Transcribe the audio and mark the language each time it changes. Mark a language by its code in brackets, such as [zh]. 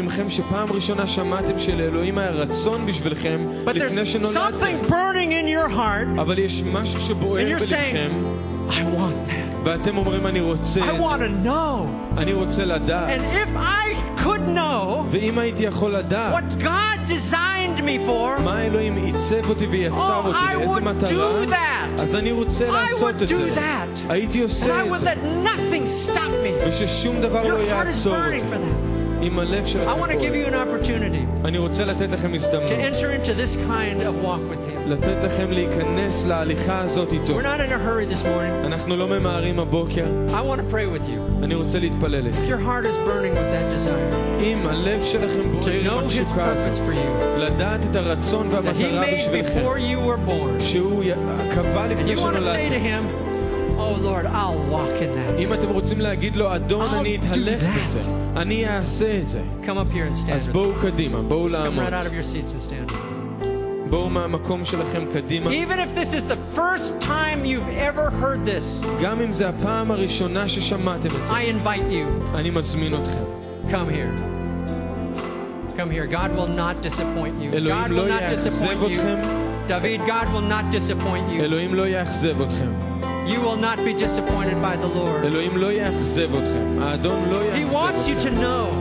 [en] But there's something burning in your heart. And you're saying, I want that. [he] ואתם אומרים, אני רוצה [en] I want to know. [he] אני רוצה לדעת. [en] And if I could know [he] ואם הייתי יכול לדעת, [en] what God designed me for, [he] מה אלוהים עיצב אותי ויצר אותי, איזה מטרה, [en] do that. [he] אז אני רוצה לעשות את זה. הייתי עושה [en] and [he] את [en] I would [he] זה. [en] Let nothing stop me. [he] וששום דבר [en] your [he] לא יעצור אותי. [en] I want to give you an opportunity to enter into this kind of walk with Him. We're not in a hurry this morning. I want to pray with you. If your heart is burning with that desire to know His purpose for you, that He made before you were born, and you want to say to Him, oh Lord, I'll walk in that. [he] אם אתם רוצים להגיד לו, אדון, אני אתהלך בזה. אני אעשה את זה. [en] Come up here and stand. [he] אז בואו קדימה, בואו לעמוד. [en] Come right out of your seats and stand. [he] בואו מהמקום שלכם קדימה. [en] Even if this is the first time you've ever heard this, [he] גם אם זה הפעם הראשונה ששמעתם את זה, [en] I invite you. [he] אני מזמין אתכם. [en] Come here. Come here. God will not disappoint you. [he] אלוהים לא יאכזב אתכם. [en] David, God will not disappoint you. [he] אלוהים לא יאכזב אתכם. [en] You will not be disappointed by the Lord. [he] Elohim lo ya'achzev otchem. Adon lo ya'achzev. [en] He wants you to know.